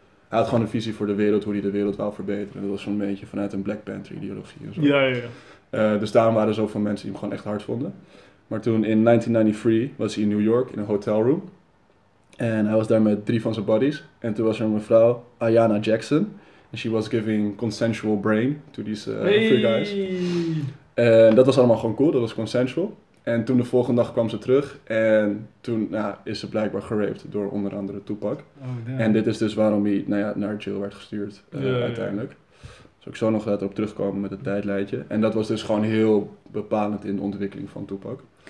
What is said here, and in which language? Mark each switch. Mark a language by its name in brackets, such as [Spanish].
[Dutch] Hij had gewoon een visie voor de wereld, hoe hij de wereld wou verbeteren. Dat was zo'n beetje vanuit een Black Panther ideologie en zo. Ja, ja, ja. Dus daarom waren er zoveel mensen die hem gewoon echt hard vonden. Maar toen in 1993 was hij in New York in een hotel room. En hij was daar met drie van zijn buddies. En toen was er een mevrouw, Ayanna Jackson. [English] En she was giving consensual brain to these three guys. [Dutch] En dat was allemaal gewoon cool, dat was consensual. En toen de volgende dag kwam ze terug en toen is ze blijkbaar geraped door onder andere Tupac. Oh, en dit is dus waarom hij naar jail werd gestuurd uiteindelijk. Ja. Zal ik zo nog later op terugkomen met het tijdlijntje. En dat was dus gewoon heel bepalend in de ontwikkeling van Tupac.